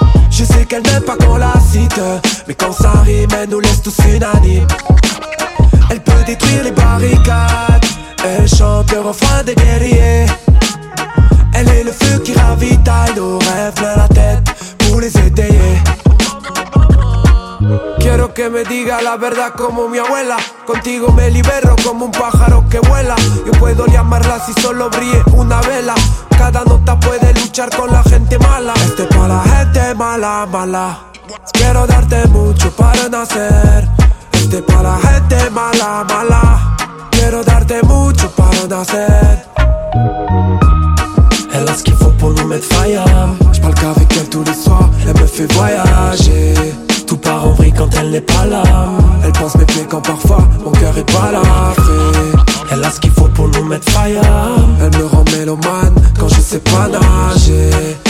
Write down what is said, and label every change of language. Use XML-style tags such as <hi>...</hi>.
<fr>Je sais qu'elle n'aime pas qu'on la cite, mais quand ça rime, elle nous laisse tous unanimes. Elle peut détruire les barricades, elle chante le refrain des guerriers. Elle est le feu qui ravitaille nos rêves, plein la tête pour les étayer.</fr> <es>Quiero que me diga la verdad como mi abuela. Contigo me libero como un pájaro que vuela. Yo puedo llamarla si solo brille una vela. Cada nota puede luchar con la gente mala. Este pa' la gente mala, mala. Quiero darte mucho para nacer. Este pa' la gente mala, mala. Quiero darte mucho para nacer.</es> <fr>Elle a ce qu'il faut pour nous mettre fire. J'parle qu'avec elle tous les soirs, elle me fait voyager. Tout part en vrille quand elle n'est pas là. Elle pense mes pieds quand parfois mon cœur est balafré. Elle a ce qu'il faut pour nous mettre fire. Elle me rend mélomane quand je sais pas nager.</fr>